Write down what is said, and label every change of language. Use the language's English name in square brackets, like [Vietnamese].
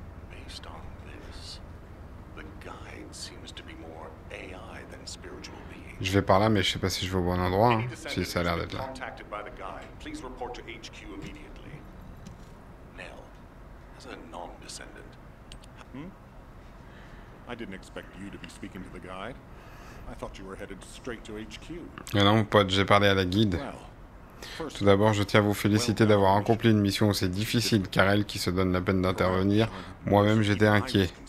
[English] Based on this, the guide seems to be more AI than spiritual being. [French] Je vais par là, mais je sais pas si je vais au bon endroit, hein, si ça a l'air d'être là. [English] Contacted by the guide. Please report to HQ immediately. Nell, as a non-descendant. I didn't expect you to be speaking to the guide. I thought you were headed straight to HQ. [French] Mais non, mon pote, j'ai parlé à la guide. Tout d'abord, je tiens à vous féliciter d'avoir accompli une mission aussi difficile, car elle qui se donne la peine d'intervenir. Moi-même, j'étais inquiet.